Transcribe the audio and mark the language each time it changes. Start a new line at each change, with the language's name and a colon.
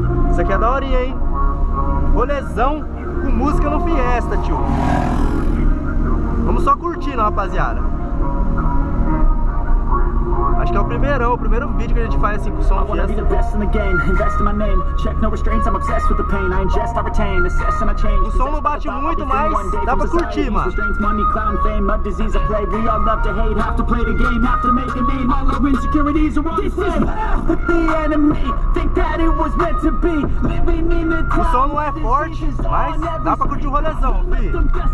Portuguese: Isso aqui é daorinha, hein. Rolezão com música no Fiesta, tio. Vamos só curtindo, rapaziada. Acho que é o primeiro vídeo que a gente faz assim com o som.
English: I wanna be the best in the game, invest in my name. Check no restraints, I'm obsessed with the pain. I ingest, I retain, assess and I change.
Portuguese: O som não bate muito, mas dá pra curtir, mano.
English: Money, clown, fame, mud, disease, a play. We all love to hate, have to play the game, have to make a name. All our insecurities are on the flame. But the enemy, think that it was meant to be. Living in the town.
Portuguese: O som não é forte, mas dá pra curtir o rolezão, filho.